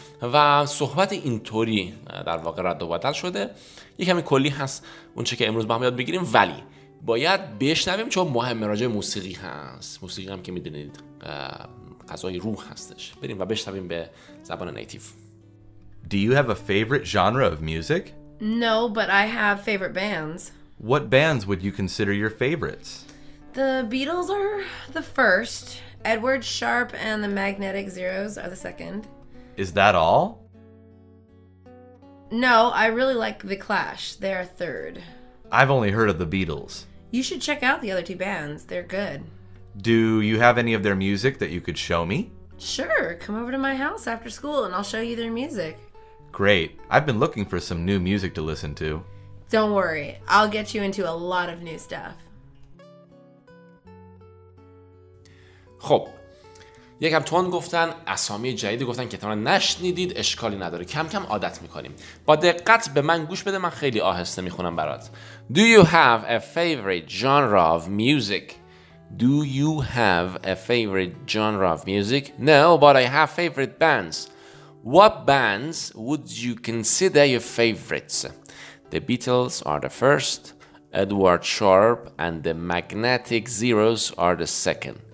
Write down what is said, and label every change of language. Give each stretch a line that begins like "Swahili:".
Persian: و صحبت اینطوری در واقع رد و بدل شده، یک کمی کلی هست اونچه که امروز با هم یاد بگیریم، ولی باید بشنویم چون مهمه، راجع به موسیقی هست. موسیقی هم که میدونید غذای روح هستش. بریم و بشنویم به زبان نیتیو.
English: Do you have a favorite genre of music? No, but I have favorite bands. What bands would you consider your favorites? The Beatles are the first. Edward Sharp and the Magnetic Zeros are the second. Is that all? No, I really like The Clash. They're third. I've only heard of The Beatles. You should check out the other two bands. They're good. Do you have any of their music that you could show me? Sure, come over to my house after school and I'll show you their music. Great, I've been looking for some new music to listen to. Don't worry, I'll get you into a lot of new stuff.
Persian: خب، یکم تون گفتن، اسامی جدید گفتن که تا الان نشنیدید، اشکالی نداره، کم کم عادت میکنیم. با دقت به من گوش بده، من خیلی آهسته میخونم برات.
English: Do you have a favorite genre of music? Do you have a favorite genre of music? No, but I have favorite bands. What bands would you consider your favorites? The Beatles are the first. Edward Sharp and the Magnetic Zeros are the second.